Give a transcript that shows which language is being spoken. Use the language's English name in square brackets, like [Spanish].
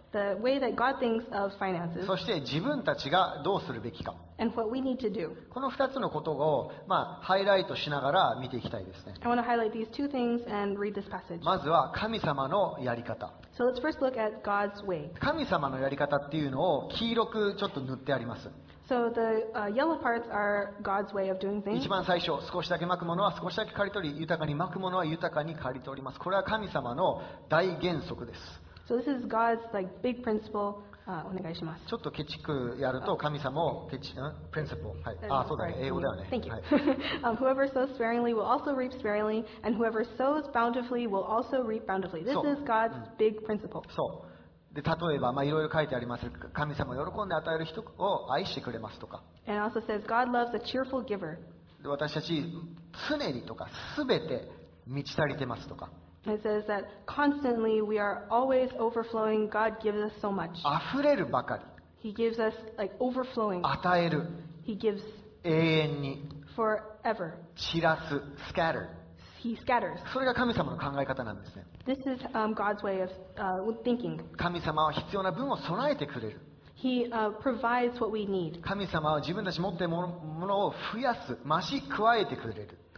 [English] The way that God thinks of finances. [Japanese] そして自分たちがどうするべきか。 [English] And what we need to do. [Japanese] この2つのことを、ハイライトしながら見ていきたいですね。 [English] I want to highlight these two things and read this passage. [Japanese] まずは神様のやり方。 [English] So let's first look at God's way. [Japanese] 神様のやり方っていうのを黄色くちょっと塗ってあります。 [English] So the yellow parts are God's way of doing things. [Japanese] 一番最初、少しだけまくものは少しだけ刈り取り、豊かにまくものは豊かに刈り取ります。これは神様の大原則です。 [English] So this is God's like big principle. [Japanese] お願いします。ちょっとケチくやると神様をケチ、principle。はい。そうだね。英語ではね。 [English] Thank you. はい。 Whoever sows sparingly will also reap sparingly, and whoever sows bountifully will also reap bountifully. This is God's big principle. [Japanese] そう。で例えば、いろいろ書いてあります。神様喜んで与える人を愛してくれますとか。 [English] And also says, God loves a cheerful giver. [Japanese] 私たち常にとか全て満ち足りてますとか。 [English] It says that constantly we are always overflowing. God gives us so much. [Japanese] 溢れるばかり。 [English] He gives us like overflowing. [Japanese] 与える。 [English] He gives [Japanese] 永遠に。 [English] Forever. [Japanese] 散らす。Scatter. [English] He scatters. [Japanese] それが神様の考え方なんですね。 [English] This is God's way of thinking. [Japanese] 神様は必要な分を備えてくれる。 [English] He provides what we need. [Japanese] 神様は自分たち持っているものを増やす、増し加えてくれる。